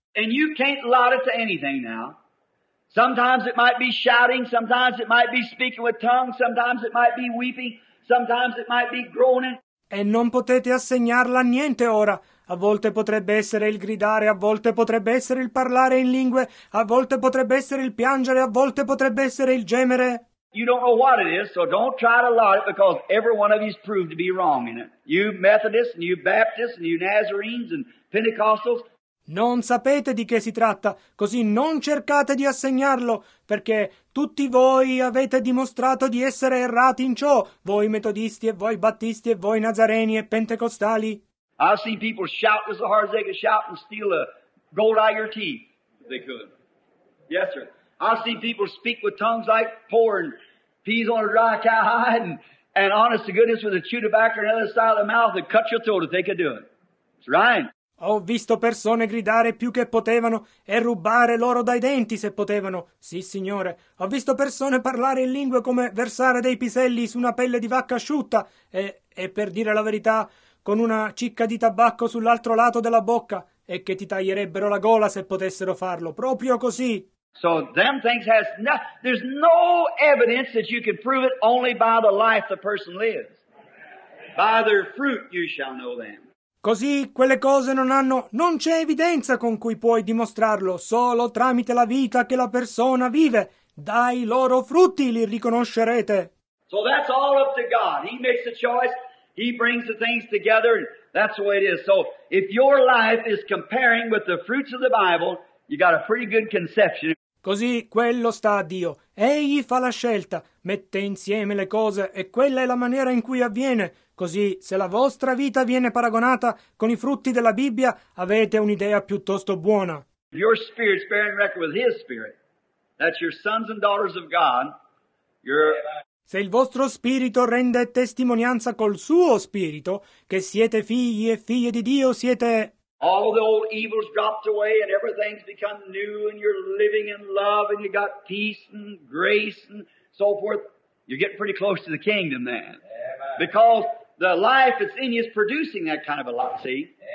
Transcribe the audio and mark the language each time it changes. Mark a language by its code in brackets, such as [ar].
[en] And you can't allot it to anything now. Sometimes it might be shouting, sometimes it might be speaking with tongues, sometimes it might be weeping, sometimes it might be groaning. [it] E non potete assegnarla a niente ora. A volte potrebbe essere il gridare, a volte potrebbe essere il parlare in lingue, a volte potrebbe essere il piangere, a volte potrebbe essere il gemere. [en] You don't know what it is, so don't try to allot it, because every one of you is proved to be wrong in it. You Methodists and you Baptists and you Nazarenes and Pentecostals. [it] Non sapete di che si tratta, così non cercate di assegnarlo, perché tutti voi avete dimostrato di essere errati in ciò, voi metodisti e voi battisti e voi nazareni e pentecostali. [en] I've seen people shout as hard as they could shout and steal a gold out of your teeth, if they could. Yes, sir. I've seen people speak with tongues like pouring peas on a dry cowhide and honest to goodness with a chew tobacco on the other side of the mouth and cut your throat if they could do it. It's right. [it] Ho visto persone gridare più che potevano e rubare loro dai denti se potevano. Sì, signore. Ho visto persone parlare in lingue come versare dei piselli su una pelle di vacca asciutta e per dire la verità, con una cicca di tabacco sull'altro lato della bocca e che ti taglierebbero la gola se potessero farlo. Proprio così. [en] So them things has no, there's no evidence that you can prove it only by the life the person lives. By their fruit you shall know them. [it] Così quelle cose non c'è evidenza con cui puoi dimostrarlo, solo tramite la vita che la persona vive. Dai loro frutti li riconoscerete. [en] So that's all up to God. He makes the choice, he brings the things together, and that's the way it is. So if your life is comparing with the fruits of the Bible, you got a pretty good conception. [it] Così quello sta a Dio. Egli fa la scelta, mette insieme le cose e quella è la maniera in cui avviene. Così, se la vostra vita viene paragonata con i frutti della Bibbia, avete un'idea piuttosto buona. [en] Your spirit's bearing record with his spirit. That's your sons and daughters of God. [it] Se il vostro spirito rende testimonianza col suo spirito, che siete figli e figlie di Dio, siete... [en] All the old evils dropped away and everything's become new and you're living in love and you got peace and grace and so forth. You're getting pretty close to the kingdom then. Because the life that's in you is producing that kind of a life, see?